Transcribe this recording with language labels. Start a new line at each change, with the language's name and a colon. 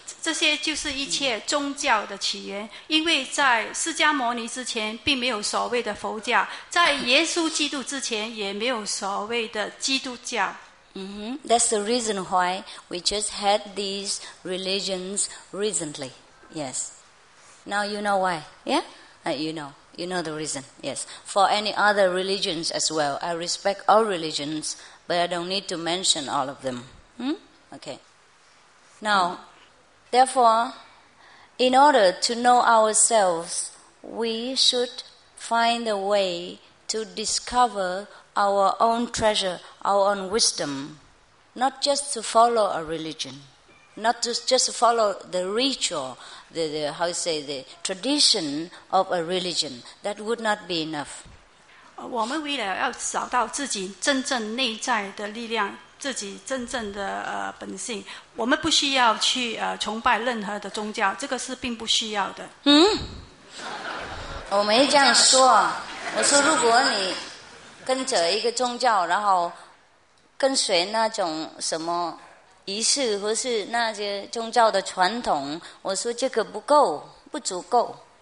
Chinese: 这些就是一切宗教的起源，因为在释迦牟尼之前并没有所谓的佛教，在耶稣基督之前也没有所谓的基督教。
English: That's the reason why we just had these religions recently. Yes. Now you know why. Yeah? You know. You know the reason, yes. For any other religions as well, I respect all religions, but I don't need to mention all of them. Okay. Now, therefore, in order to know ourselves, we should find a way to discover our own treasure, our own wisdom, not just to follow a religion, not just to follow the ritual,the tradition of a religion, that would not be enough.
Chinese: 我们为了要找到自己真正内在的力量，自己真正的本性，我们不需要去崇拜任何的宗教，这个是并不需要的。我没这样说，我说如果你跟着一个宗教，然后跟随那种什么仪式或是那些宗教的传统，我说这个不够，不足够。